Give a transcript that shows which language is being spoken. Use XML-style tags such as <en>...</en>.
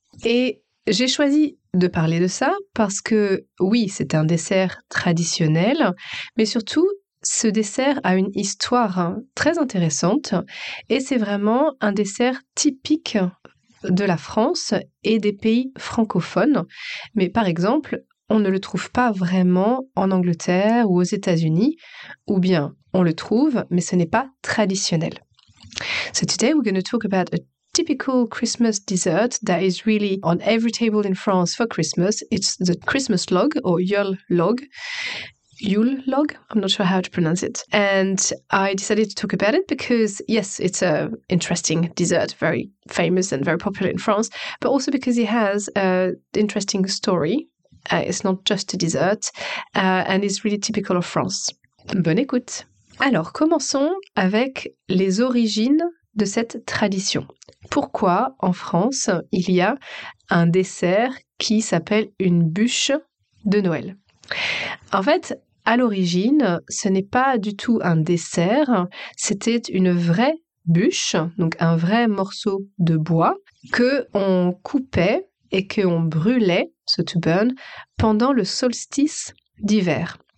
<fr>Et j'ai choisi de parler de ça parce que oui, c'est un dessert traditionnel, mais surtout ce dessert a une histoire très intéressante et c'est vraiment un dessert typique de la France et des pays francophones. Mais par exemple, on ne le trouve pas vraiment en Angleterre ou aux États-Unis, ou bien on le trouve, mais ce n'est pas traditionnel.</fr> <en>So today we're going to talk about a typical Christmas dessert that is really on every table in France for Christmas. It's the Christmas log or Yule log. Yule log? I'm not sure how to pronounce it. And I decided to talk about it because, yes, it's an interesting dessert, very famous and very popular in France, but also because it has an interesting story. It's not just a dessert, and it's really typical of France.</en> <fr>Bonne écoute! Alors, commençons avec les origines de cette tradition. Pourquoi, en France, il y a un dessert qui s'appelle une bûche de Noël? En fait, à l'origine, ce n'est pas du tout un dessert, c'était une vraie bûche, donc un vrai morceau de bois, que on coupait et que on brûlait,</fr> <en>so to burn,</en> <fr>pendant le solstice d'hiver.</fr>